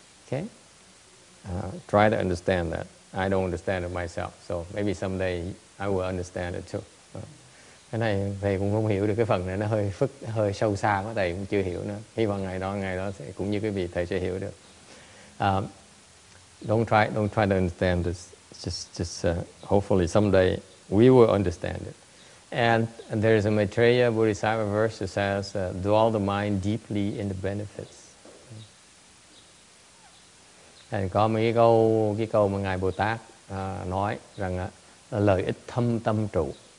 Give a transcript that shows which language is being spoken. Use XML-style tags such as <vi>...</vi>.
<en>Okay. Try to understand that. I don't understand it myself. So maybe someday I will understand it too.</en> <vi>Cái này thầy cũng không hiểu được cái phần này, nó hơi sâu xa quá, thầy cũng chưa hiểu nữa. Hy vọng ngày đó sẽ cũng như cái vị thầy sẽ hiểu được.</vi> <en>Don't try to understand this. Just hopefully someday we will understand it. And there is a Maitreya Bodhisattva verse that says, dwell the mind deeply in the benefits.</en> <vi>And có mấy cái câu mà Ngài Bồ Tát nói rằng là lợi ích thâm tâm trụ.</vi>